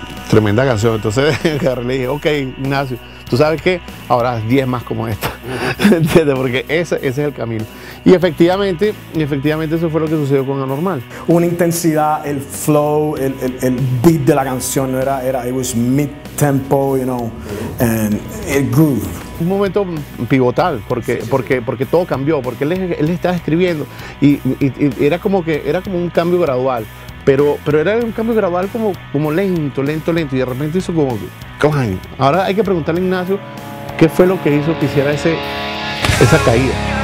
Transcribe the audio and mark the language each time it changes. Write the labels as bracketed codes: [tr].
[es] Tremenda canción. Entonces agarré y le dije, ok, Ignacio, tú sabes que ahora 10 más como esta, ¿entiendes? Porque ese es el camino. Y efectivamente eso fue lo que sucedió con Anormal. Una intensidad, el flow, el beat de la canción, ¿no? [en] Era it was mid-tempo, you know, and it grew. [es] Un momento pivotal, porque todo cambió, porque él estaba escribiendo y era como un cambio gradual. Pero era un cambio gradual como lento. Y de repente hizo como... ¡clang! Ahora hay que preguntarle a Ignacio qué fue lo que hizo que hiciera esa caída.